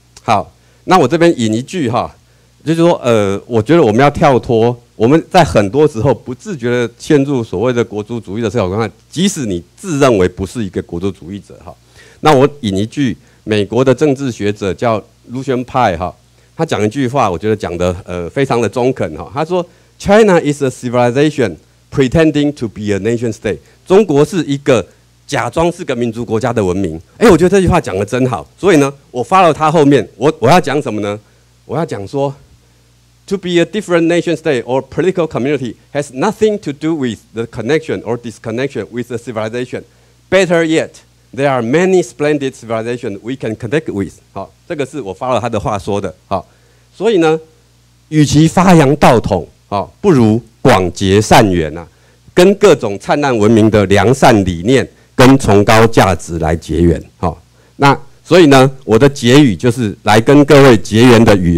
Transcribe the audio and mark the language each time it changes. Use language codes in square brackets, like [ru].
[zh] 好，那我这边引一句哈，就是说我觉得我们要跳脱。我们在很多时候不自觉地陷入所谓的国族主义的思考观念，即使你自认为不是一个国族主义者。那我引一句美国的政治学者叫 Lucian Pai， 他讲一句话，我觉得讲得非常的中肯。他说 [en] China is a civilization pretending to be a nation state， [zh] 中国是一个假装是个民族国家的文明。哎，我觉得这句话讲得真好。所以呢，我 follow 他后面， 我要讲什么呢？我要讲说 [en] To be a different nation state or political community has nothing to do with the connection or disconnection with the civilization. Better yet, there are many splendid civilizations we can connect with. [zh] 好，这个是我发了他的话说的。好，所以呢，与其发扬道统，好，不如广结善缘啊，跟各种灿烂文明的良善理念跟崇高价值来结缘。好，那所以呢，我的结语就是来跟各位结缘的语。